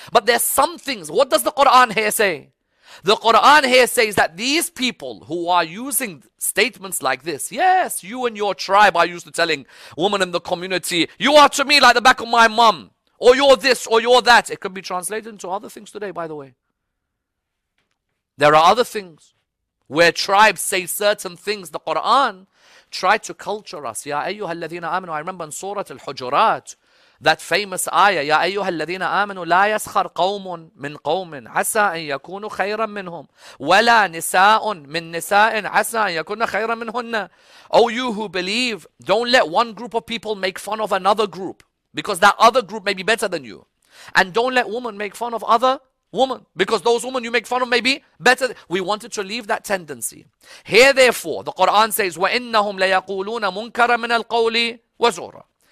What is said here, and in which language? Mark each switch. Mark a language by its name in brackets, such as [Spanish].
[English] But there's some things. What does the Quran here say? The Quran here says that these people who are using statements like this, yes, you and your tribe are used to telling women in the community, you are to me like the back of my mom, or you're this, or you're that. It could be translated into other things today, by the way. There are other things where tribes say certain things. The Quran tried to culture us. [Arabic] Ya ayyuha alladhina amanu. [English] I remember in Surah Al-Hujurat, that famous ayah, [Arabic] يَا أَيُّهَا الَّذِينَ آمَنُوا لَا يَسْخَرْ قَوْمٌ مِّنْ قَوْمٍ عَسَىٰ أَن يَكُونُوا خَيْرًا مِّنْهُمْ وَلَا نِسَاءٌ مِّنْ نِسَاءٍ عَسَىٰ أَن يَكُونَ خَيْرًا مِّنْهُنَّ. [English] O you who believe, don't let one group of people make fun of another group, because that other group may be better than you. And don't let women make fun of other women, because those women you make fun of may be better. We wanted to leave that tendency. Here therefore, the Quran says, [Arabic] وَإِنَّهُمْ لَيَقُولُونَ مُنْكَرًا مِّنَ الْقَوْلِ وَزُورًا.